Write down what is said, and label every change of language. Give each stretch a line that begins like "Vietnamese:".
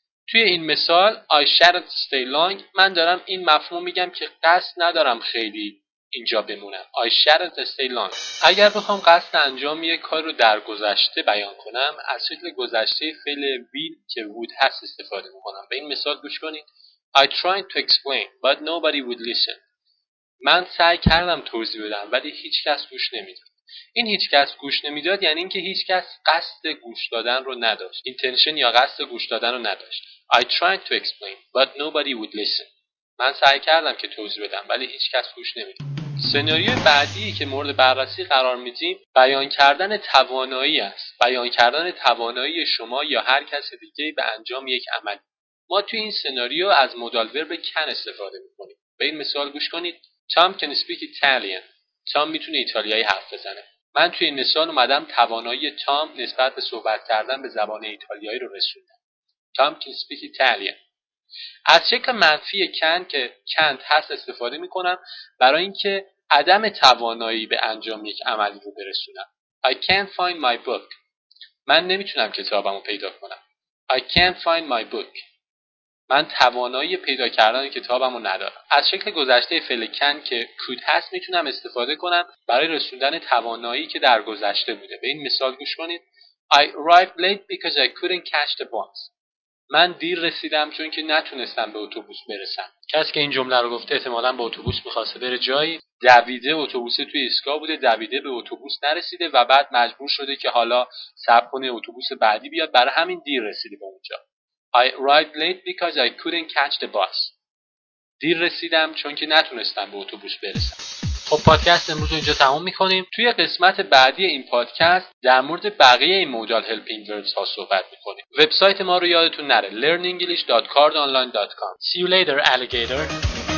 Persian: توی این مثال
English: I shouldn't stay long
Persian: من دارم این مفهوم میگم که قصد ندارم خیلی اینجا بمونم.
English: I shall stay long.
Persian: اگر بخوام قصد انجام یک کار رو در گذشته بیان کنم، از فعل گذشته فعل will که would هست استفاده میکنم. به این مثال گوش کنید.
English: I tried to explain, but nobody would listen.
Persian: من سعی کردم توضیح بدم، ولی هیچ کس گوش نمیداد. این هیچ کس گوش نمیداد یعنی اینکه هیچ کس قصد گوش دادن رو نداشت. Intention یا قصد گوش دادن رو نداشت.
English: I tried to explain, but nobody would listen.
Persian: من سعی کردم که توضیح بدم، ولی هیچ کس گوش نمیداد. سناریوی بعدی که مورد بررسی قرار میدیم، بیان کردن توانایی است. بیان کردن توانایی شما یا هر کس دیگه به انجام یک عمل. ما توی این سناریو از مودال ورب کن استفاده میکنیم. به این مثال گوش کنید.
English: Tom can speak Italian.
Persian: تام میتونه ایتالیایی حرف بزنه. من توی این مثال اومدم توانایی تام نسبت به صحبت کردن به زبان ایتالیایی رو رسوندم.
English: Tom can speak Italian.
Persian: از شکل منفی can که can't هست استفاده میکنم برای اینکه عدم توانایی به انجام یک عملی رو برسونم.
English: I can't find my book.
Persian: من نمیتونم کتابم رو پیدا کنم.
English: I can't find my book.
Persian: من توانایی پیدا کردن کتابم رو ندارم. از شکل گذشته فعل can که could هست میتونم استفاده کنم برای رسوندن توانایی که در گذشته بوده. به این مثال گوش کنید.
English: I arrived late because I couldn't catch the bus.
Persian: من دیر رسیدم چون که نتونستم به اتوبوس برسم. کسی که این جمله رو گفته احتمالاً به اتوبوس می‌خواسته بره جایی، دویده اتوبوس توی ایستگاه بوده، دویده به اتوبوس نرسیده و بعد مجبور شده که حالا صبر کنه اتوبوس بعدی بیاد، برای همین دیر رسیده به اونجا.
English: I arrived late because I couldn't catch the bus.
Persian: دیر رسیدم چون که نتونستم به اتوبوس برسم. خب پادکست امروز اینجا تموم می‌کنیم. توی قسمت بعدی این پادکست در مورد بقیه این مودال هلپینگ ورز ها صحبت می‌کنیم. وبسایت ما رو یادتون نره learnenglish.cardonline.com.
English: See you later alligator.